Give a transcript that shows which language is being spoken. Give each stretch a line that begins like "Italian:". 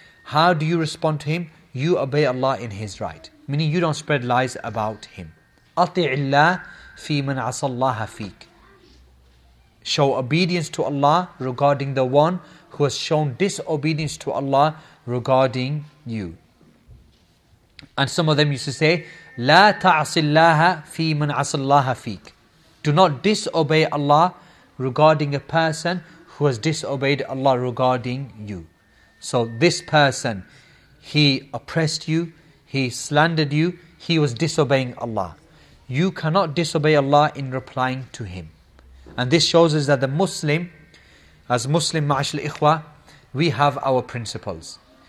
English: How do you respond to him? You obey Allah in his right. Meaning you don't spread lies about him.
Arabic: أَطِعِ اللَّهِ فِي مَنْ عَصَى اللَّهَ فِيكَ.
English: Show obedience to Allah regarding the one who has shown disobedience to Allah regarding you. And some of them used to say,
Arabic: لَا تَعْصِ اللَّهَ فِي مَنْ عَصَى اللَّهَ فِيكَ.
English: Do not disobey Allah regarding a person who has disobeyed Allah regarding you. So this person, he oppressed you, he slandered you, he was disobeying Allah. You cannot disobey Allah in replying to him. And this shows us that the Muslim, as Muslim ma'ashal ikhwa, we have our principles.